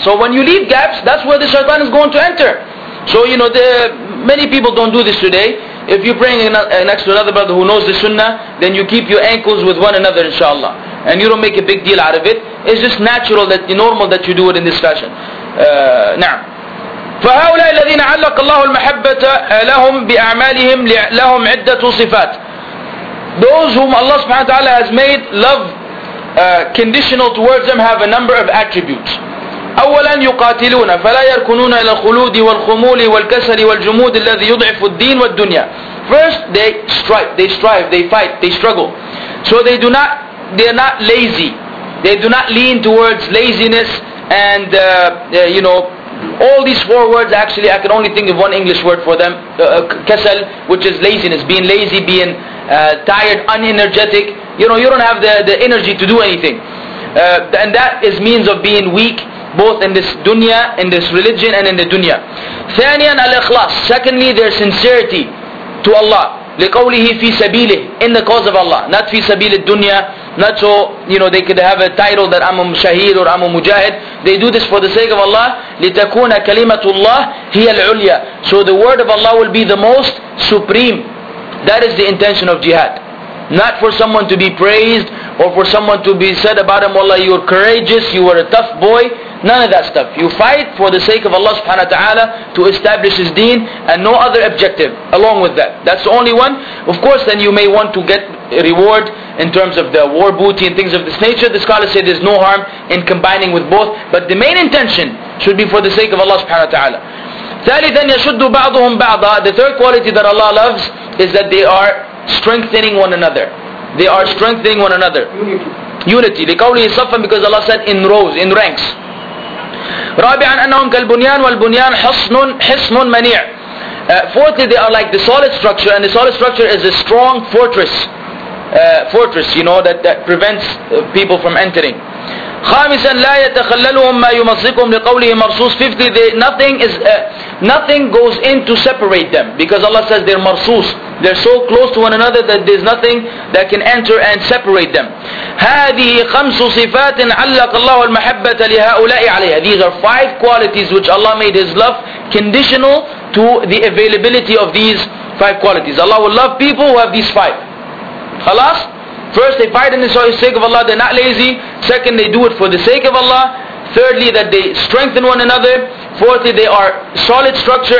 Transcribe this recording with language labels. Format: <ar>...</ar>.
<en>So when you leave gaps, that's where the shaitan is going to enter. So you know, many people don't do this today. If you're praying next to another brother who knows the sunnah, then you keep your ankles with one another, inshallah. And you don't make a big deal out of it. It's just natural, that normal that you do it in this fashion.</en> <ar>Na'am. فهؤلاء الذين علق الله المحبة لهم بأعمالهم لهم عدة صفات.</ar> <en>Those whom Allah subhanahu wa ta'ala has made love conditional towards them have a number of attributes.</en> <ar>أولا يقاتلون فلا يركنون إلى الخلود والخمول والكسل والجمود الذي يضعف الدين والدنيا.</ar> <en>First, they strive, they strive, they fight, they struggle. So they are not lazy. They do not lean towards laziness and you know, all these four words, actually I can only think of one English word for them, kasal, which is laziness, being lazy, being tired, unenergetic. You know, you don't have the energy to do anything. And that is means of being weak, both in this dunya, in this religion, and in the dunya.</en> <ar>ثانياً الإخلاص.</ar> <en>Secondly, their sincerity to Allah.</en> <ar>لقوله في سبيله.</ar> <en>In the cause of Allah.</en> <ar>Not في سبيل الدنيا.</ar> <en>Not so, you know, they could have a title that I'm a shaheed or I'm a mujahid. They do this for the sake of Allah. لتكون كلمة الله هي العليا. So the word of Allah will be the most supreme. That is the intention of jihad. Not for someone to be praised or for someone to be said about him, Wallah, you're courageous, you were a tough boy. None of that stuff. You fight for the sake of Allah subhanahu wa ta'ala to establish his deen, and no other objective along with that. That's the only one. Of course, then you may want to get reward in terms of the war booty and things of this nature. The scholars say there's no harm in combining with both. But the main intention should be for the sake of Allah subhanahu wa ta'ala.</en> <ar>ثالثا يشد بعضهم بعضا.</ar> <en>The third quality that Allah loves is that they are strengthening one another. They are strengthening one another. Unity.</en> <ar>لقوله صفا,</ar> <en>because Allah said in rows, in ranks.</en> <ar>رابعا أنهم كالبنيان والبنيان حصن منيع.</ar> <en>Fourthly, they are like the solid structure, and the solid structure is a strong fortress. Fortress, you know, that prevents people from entering.</en> <ar>خامسا لا يتخللهم ما يمزقهم لقوله مرصوص.</ar> <en>Fifthly, nothing goes in to separate them, because Allah says they're marsus, they're so close to one another that there's nothing that can enter and separate them.</en> <ar>هذه خمس صفات علق الله المحبة لهؤلاء عليها.</ar> <en>These are five qualities which Allah made His love conditional to the availability of these five qualities. Allah will love people who have these five.</en> <ar>خلاص.</ar> <en>First, they fight in the sake of Allah, they're not lazy. Second, they do it for the sake of Allah. Thirdly, that they strengthen one another. Fourthly, they are solid structure.</en>